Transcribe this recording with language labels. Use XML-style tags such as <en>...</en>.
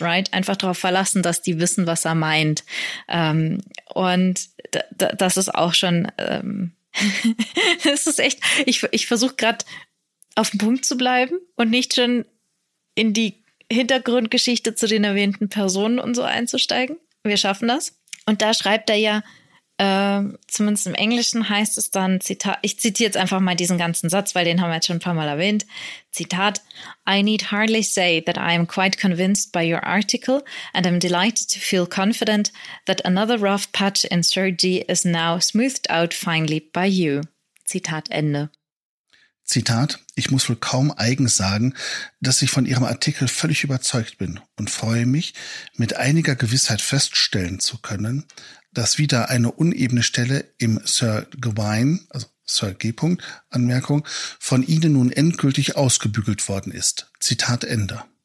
<de>Wright, einfach darauf verlassen, dass die wissen, was er meint. Und das ist auch schon, das ist echt, ich versuche gerade auf dem Punkt zu bleiben und nicht schon in die Hintergrundgeschichte zu den erwähnten Personen und so einzusteigen. Wir schaffen das. Und da schreibt er ja, zumindest im Englischen heißt es dann, Zitat, ich zitiere jetzt einfach mal diesen ganzen Satz, weil den haben wir jetzt schon ein paar Mal erwähnt.</de> <en>Zitat, I need hardly say that I am quite convinced by your article and I'm delighted to feel confident that another rough patch in Sir G is now smoothed out finally by you.</en> <de>Zitat Ende. Zitat, ich muss wohl kaum eigens sagen, dass ich von Ihrem Artikel völlig überzeugt bin und freue mich, mit einiger Gewissheit feststellen zu können, dass wieder eine unebene Stelle im Sir Gawain, also Sir G. Anmerkung, von Ihnen nun endgültig ausgebügelt worden ist. Zitat Ende.</de>